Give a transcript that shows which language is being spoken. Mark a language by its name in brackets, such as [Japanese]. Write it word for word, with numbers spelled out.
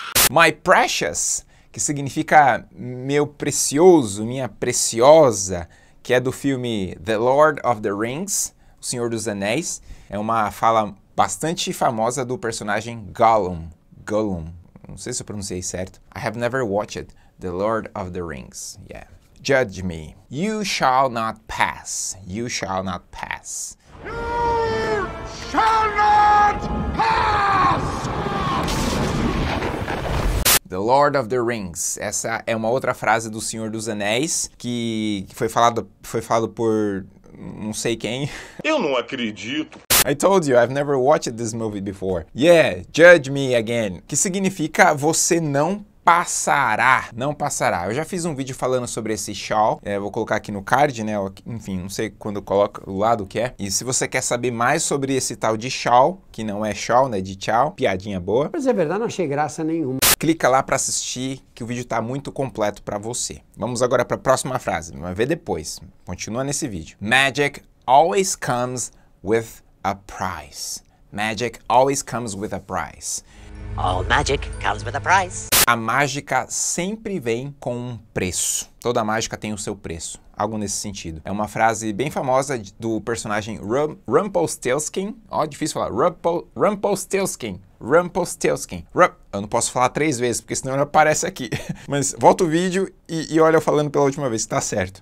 [English] My precious, [Portuguese] que significa meu precioso, minha preciosa, que é do filme The Lord of the Rings, O Senhor dos Anéis. É uma fala bastante famosa do personagem Gollum. Gollum. Não sei se eu pronunciei certo. [English] I have never watched The Lord of the Rings. Yeah. Judge me. You shall not pass. You shall not pass. You shall not pass! The Lord of the Rings. [Portuguese] Essa é uma outra frase do Senhor dos Anéis, que foi falado, foi falado por não sei quem. Eu não acredito. [English] I told you, I've never watched this movie before. Yeah, judge me again. [Portuguese] Que significa você não passará. Não passará. Eu já fiz um vídeo falando sobre esse shall. É, vou colocar aqui no card, né? Enfim, não sei quando eu coloco o lado que é. E se você quer saber mais sobre esse tal de shall, que não é shall, né? De tchau. Piadinha boa. Mas é verdade, não achei graça nenhuma. Clica lá para assistir, que o vídeo está muito completo para você. Vamos agora para a próxima frase, vai ver depois. Continua nesse vídeo. [English] Magic always comes with a price. Magic always comes with a price. All magic comes with a price. [Portuguese] A mágica sempre vem com um preço. Toda mágica tem o seu preço. Algo nesse sentido. É uma frase bem famosa do personagem Rum, Rumpelstiltskin. Ó, oh, difícil falar. Rumpel, Rumpelstiltskin. Rumpelstiltskin. Rump... Eu não posso falar três vezes, porque senão ele aparece aqui. Mas volta o vídeo e, e olha eu falando pela última vez, que tá certo.